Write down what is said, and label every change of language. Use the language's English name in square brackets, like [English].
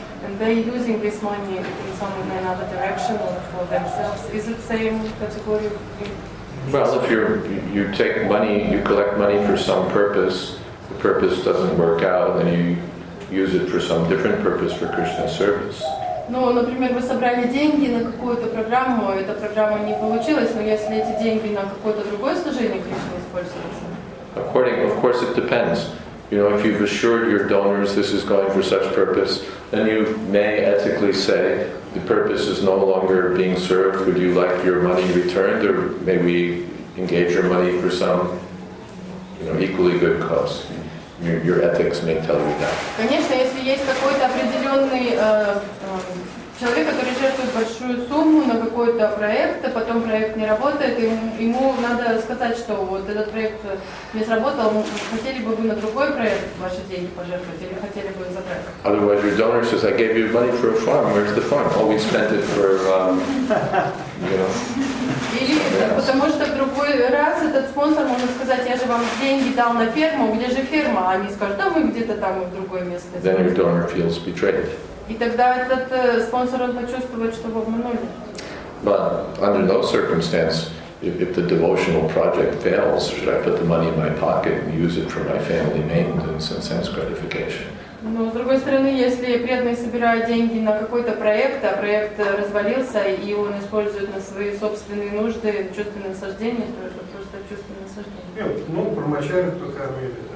[English] And they using this money in some in another direction or for themselves. Is it same category? Well, if you take money, you collect money for some purpose, the purpose doesn't work out, then you use it for some different purpose for Krishna's service. [Russian] Ну, например, вы собрали деньги на какую-то программу, эта программа не получилась, но если эти деньги на какое-то другое служение Кришны используются. [English] According, of course, it depends. You know, if you've assured your donors this is going for such purpose, then you may ethically say the purpose is no longer being served. Would you like your money returned, or may we engage your money for some, you know, equally good cause? Your ethics may tell you that. [Russian] Конечно, если есть какой-то определенный человек, который жертвует большую сумму на какой-то проект, а потом проект не работает, ему надо сказать, что вот этот проект не сработал, хотели бы вы на другой проект ваши деньги пожертвовать или хотели бы забрать? [English] Otherwise your donor says, I gave you money for a farm, where's the farm? Oh, we spent it for, [Russian] Или потому что в другой раз этот спонсор может сказать, я же вам деньги дал на ферму, где же ферма? А они скажут, да мы где-то там и в другое место. [English] Then your donor feels betrayed. [Russian] И тогда этот спонсор он почувствует, что его обманули. [English] But under no circumstance, if the devotional project fails, should I put the money in my pocket and use it for my family maintenance and sense gratification? [Russian] Но с другой стороны, если преданный собирает деньги на какой-то проект, а проект развалился, и он использует на свои собственные нужды чувственное наслаждение, то это просто чувственное наслаждение. Ну, промочали только армию.